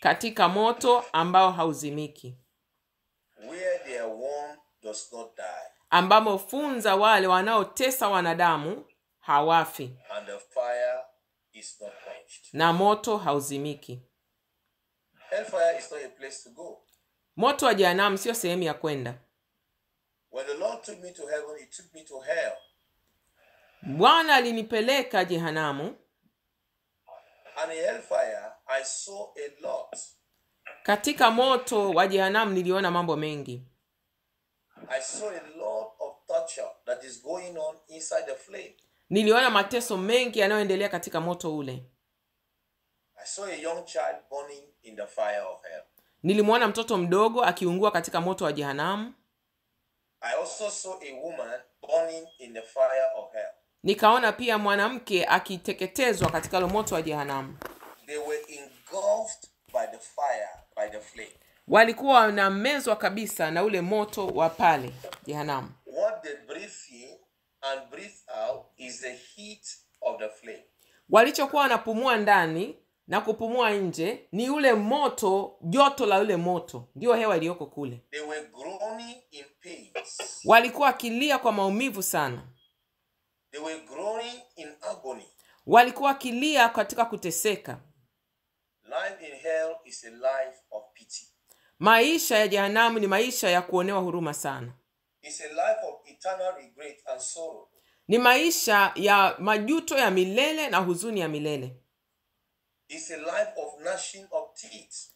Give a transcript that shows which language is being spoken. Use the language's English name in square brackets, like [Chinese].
[Swahili] Katika moto ambao hauzimiki. [English] Where their worm does not die. [Swahili] Ambamo funza wale wanaotesa wanadamu hawafi. [English] And the fire is not quenched. [Swahili] Na moto hauzimiki. [English] Hellfire is not a place to go. [Swahili] Moto wa jehanamu sio sehemu ya kwenda. [English] When the Lord took me to heaven, he took me to hell. [Swahili] Bwana alinipeleka jehanamu. [English] And in hellfire, I saw a lot. [Swahili] Katika moto wa jehanamu niliona mambo mengi. [English] I saw a lot of torture that is going on inside the flame. [Swahili] Niliona mateso mengi yanayoendelea katika moto ule. [English] I saw a young child burning in the fire of hell. [Swahili] Nilimuona mtoto mdogo akiungua katika moto wa jehanamu. [English] I also saw a woman burning in the fire of hell. [Swahili] Nikaona pia mwanamke akiteketezwa katika moto wa jehanamu. [English] They were engulfed by the fire, by the flame. [Swahili] Walikuwa wanamezwa kabisa na ule moto wa pale jehanamu. [English] What they breathe in and breathe out is the heat of the flame. [Swahili] Walichokuwa wanapumua ndani na kupumua nje ni ule moto, joto la ule moto ndio hewa iliyoko kule. [English] They were groaning in pain. [Swahili] Walikuwa kilia kwa maumivu sana. [English] They were groaning in agony. [Swahili] Walikuwa kilia katika kuteseka. [English] Life in hell is a life of pity. [Swahili] Maisha ya jehanamu ni maisha ya kuonewa huruma sana. [English] It's a life of eternal regret and sorrow. [Swahili] Ni maisha ya majuto ya milele na huzuni ya milele. [English] It's a life of gnashing of teeth.